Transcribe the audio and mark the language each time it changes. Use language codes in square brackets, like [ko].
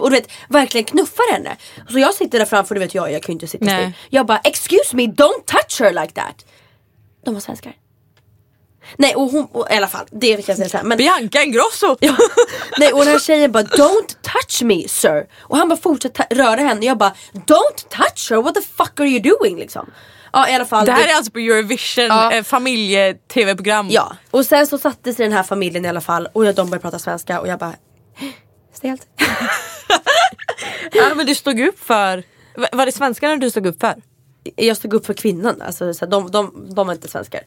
[sv] Och du vet, verkligen knuffar henne. Så jag sitter där framför, du vet, jag kan ju inte sitta still. Jag bara, [en] excuse me, don't touch her like that. [sv] De var svenskar. Nej, och hon, och, i alla fall, det kan jag säga såhär, men Bianca Ingrosso. Ja, nej, och den här tjejen bara, [en] don't touch me, sir. [sv] Och han bara fortsätter röra henne. Och jag bara, [en] don't touch her, what the fuck are you doing, [sv] liksom. Ja, i alla fall. Det här är alltså på Eurovision, ja. Familje-tv-program. Ja, och sen så satte sig den här familjen i alla fall. Och de började prata svenska. Och jag bara, stelt. Ja, men du stod upp för, var det svenskarna du stod upp för? Jag stod upp för kvinnan, alltså, så här, de var inte svenskar.